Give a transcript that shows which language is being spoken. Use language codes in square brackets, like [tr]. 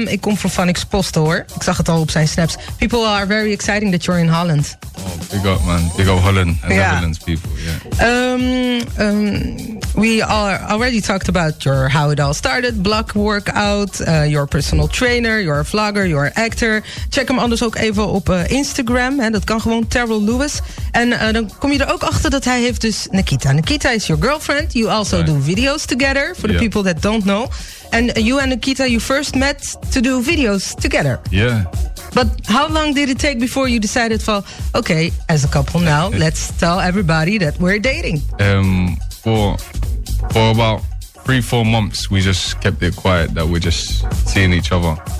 [nl] Ik kom voor Phoenix posten hoor. Ik zag het al op zijn snaps. [en] People are very exciting that you're in Holland. Oh, big up man. Big up Holland. And yeah. Netherlands people, yeah. We are already talked about your how it all started. Block workout. Your personal trainer. Your vlogger. Your actor. [nl] Check hem anders ook even op Instagram. Hè. Dat kan gewoon Terrell Lewis. En dan kom je er ook achter dat hij heeft dus Nikita. [en] Nikita is your girlfriend. You also do videos together, for the people that don't know. And you and Nikita, you first met to do videos together. Yeah. But how long did it take before you decided, well, okay, as a couple now, let's tell everybody that we're dating? For about 3-4 months, we just kept it quiet that we're just seeing each other.